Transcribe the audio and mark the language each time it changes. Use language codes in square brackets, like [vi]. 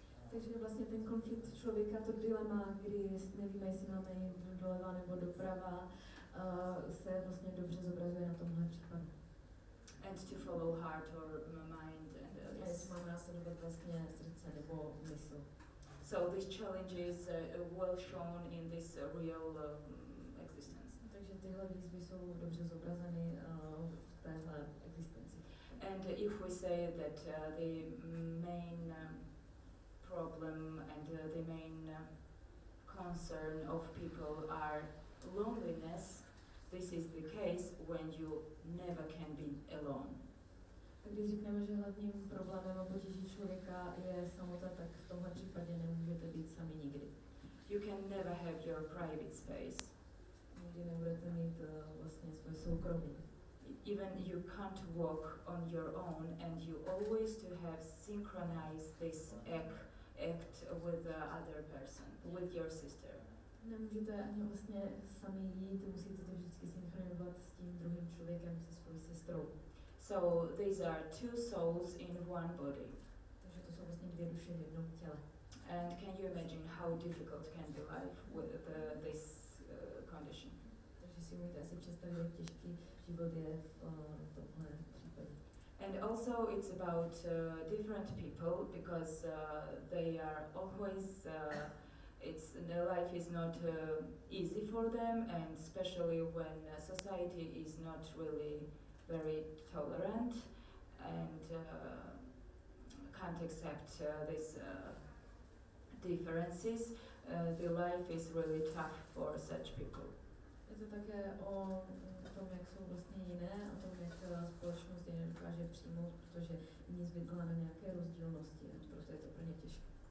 [cs] Takže vlastně ten konflikt člověka, to dilema, kdy nevíme, jestli máme jít doleva nebo doprava, se vlastně dobře zobrazuje na tomhle případu. [en] And to follow heart or mind and others. [cs] Jestli máme následovat vlastně srdce nebo mysl. [en] So these challenges well shown in this real existence. [cs] Takže tyhle výzvy jsou dobře zobrazeny v téhle existenci. [en] And if we say that the main problem and the main concern of people are loneliness, this is the case when you never can be alone. [cs] Když řekneme, že hlavním problémem a potíží člověka je samota, tak v tomhle případě nemůžete být sami nikdy. [en] You can never have your private space. [cs] Nikdy nebudete mít vlastně svoje soukromí. [en] Even you can't walk on your own, and you always to have synchronized this act with the other person, with your sister. [cs] Nemůžete ani vlastně sami jít, musíte to vždycky synchronizovat s tím druhým člověkem, se svou sestrou. [en] So these are two souls in one body. [cs] Takže to jsou vlastně dvě duše v jednom těle. [en] And can you imagine how difficult can be life with this condition? [cs] Takže si umíte asi představit, jak těžký život je v tomhle případě. [en] And also it's about different people, because they are always it's their life is not easy for them, and especially when society is not really very tolerant and can't accept these differences, the life is really tough for such people. [cs] Je to také o tom, jak jsou vlastně jiné, o tom, jak společnost je nedokáže přijmout, protože není zvyklá na nějaké rozdílnosti, a proto je to pro ně těžké.